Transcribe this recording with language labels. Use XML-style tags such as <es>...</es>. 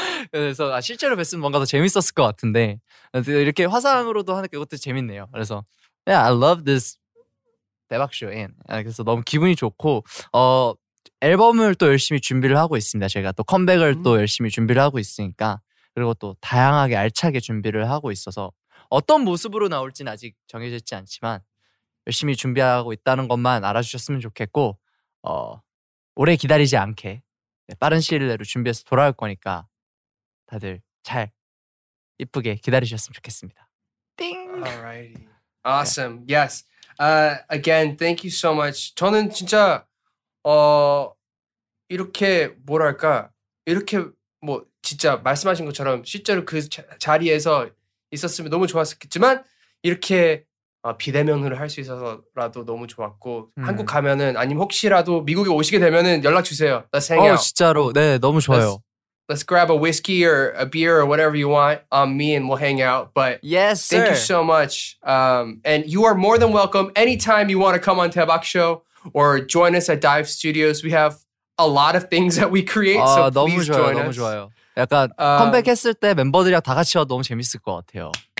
<ko>그래서 아, 실제로 뵀으면 뭔가 더 재밌었을 것 같은데 이렇게 화상으로도 하는 것도 재밌네요. 그래서</ko> <en>Yeah, I love this 대박 쇼인.</en> <ko>그래서 너무 기분이 좋고 앨범을 또 열심히 준비를 하고 있습니다. 제가 또 컴백을 또 열심히 준비를 하고 있으니까 그리고 또 다양하게 알차게 준비를 하고 있어서 어떤 모습으로 나올지는 아직 정해졌지 않지만 열심히 준비하고 있다는 것만 알아주셨으면 좋겠고 오래 기다리지 않게 빠른 시일 내로 준비해서 돌아올 거니까 다들 잘 이쁘게 기다리셨으면 좋겠습니다. 띵!</ko> <en>Alrighty. Awesome. Yes. Again, thank you so much.</en> <ko>저는 진짜 이렇게 뭐랄까 이렇게 뭐 진짜 말씀하신 것처럼 실제로 그 자리에서 있었으면 너무 좋았겠지만 이렇게 비대면으로 할 수 있어서라도 너무 좋았고 한국 가면은 아니면 혹시라도 미국에 오시게 되면은 연락 주세요.</ko> <en>Let's hang out.</en> <ko>진짜로 네 너무 좋아요.</ko> <en>Let's grab a whiskey or a beer or whatever you want on me and we'll hang out. But yes, thank sir. you so much. And you are more than welcome anytime you want to come on Tebak Show or join us at Dive Studios. We have a lot of things that we create. So please</en> <ko>너무 좋아요,</ko> <en>join</en> <ko>너무</ko> <en>us.</en> <ko>좋아요. 약간 컴백했을 때 멤버들이랑 다 같이 와도 너무 재밌을 것 같아요.</ko>